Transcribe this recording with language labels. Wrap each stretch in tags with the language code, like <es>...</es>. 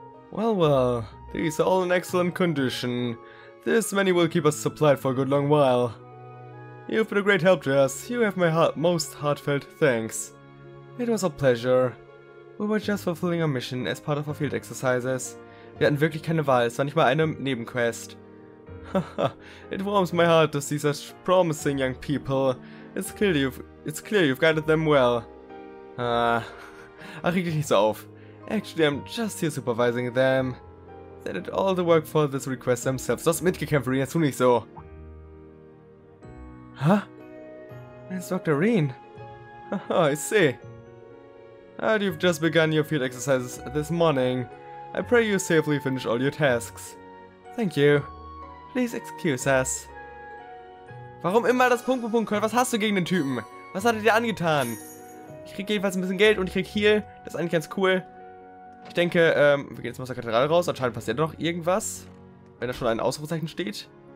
<en>Well, well, these are all in excellent condition. This many will keep us supplied for a good long while. You've been a great help to us. You have my most heartfelt thanks. It was a pleasure. We were just fulfilling our mission as part of our field exercises.</en> <de>Wir hatten wirklich keine Wahl, es war nicht mal eine Nebenquest.</de> <en>Haha, it warms my heart to see such promising young people. It's clear you've guided them well.</en> <de>Ach, reg dich nicht so auf.</de> <en>Actually, I'm just here supervising them. They did all the work for this request themselves.</en> <de>Du hast mitgekämpft, Rin, jetzt tu nicht so.</de> <en>Huh? It's Dr. Rin. Haha, I see. And you've just begun your field exercises this morning. I pray you safely finish all your tasks. Thank you. Please excuse us.</en> <de>Warum immer das Punkt, Punkt, Punkt? Was hast du gegen den Typen? Was hat er dir angetan? Ich krieg jedenfalls ein bisschen Geld und ich krieg Heal. Das ist eigentlich ganz cool. Ich denke, wir gehen jetzt mal aus der Kathedrale raus. Anscheinend passiert noch irgendwas. Wenn da schon ein Ausrufezeichen steht.</de>